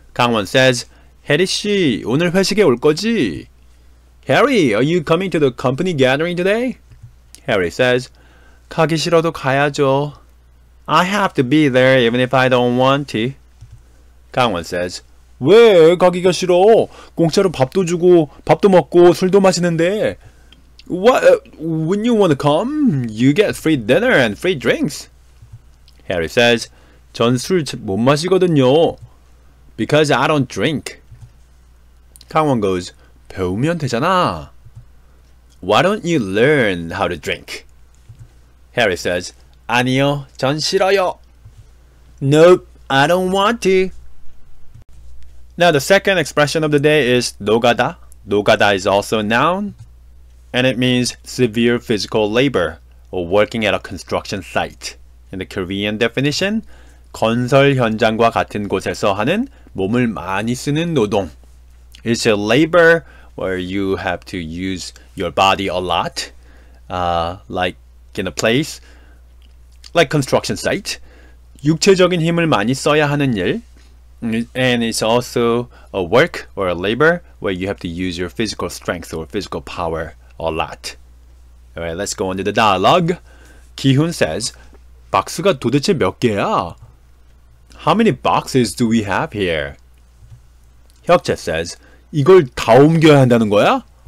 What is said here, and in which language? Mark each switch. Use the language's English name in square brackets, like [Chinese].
[Korean] 강원 says, 해리 씨, 오늘 회식에 올 거지? [English] Harry, are you coming to the company gathering today? Harry says, [Korean] 가기 싫어도 가야죠. [English] I have to be there even if I don't want to. [Korean] 강원 says, 왜 가기가 싫어? 공짜로 밥도 주고 밥도 먹고 술도 마시는데. [English] What? When you want to come, you get free dinner and free drinks. Harry says, [Korean] 전 술 못 마시거든요. [English] Because I don't drink. 강원 goes, [Korean] 배우면 되잖아. [English] Why don't you learn how to drink? Harry says, [Korean] 아니요, 전 싫어요. [English] Nope, I don't want to. Now the second expression of the day is 노가다. 노가다 is also a noun, and it means severe physical labor or working at a construction site. In the Korean definition, [Korean] 건설 현장과 같은 곳에서 하는 몸을 많이 쓰는 노동. [English] It's a labor where you have to use your body a lot, like in a place, like construction site. [Korean] 육체적인 힘을 많이 써야 하는 일. [English] And it's also a work or a labor where you have to use your physical strength or physical power a lot. Alright, let's go on to the dialogue. Gihun says, [Korean] 박스가 도대체 몇 개야? [English] How many boxes do we have here? 혁재 says, [Korean] 이걸 다 옮겨야 한다는 거야?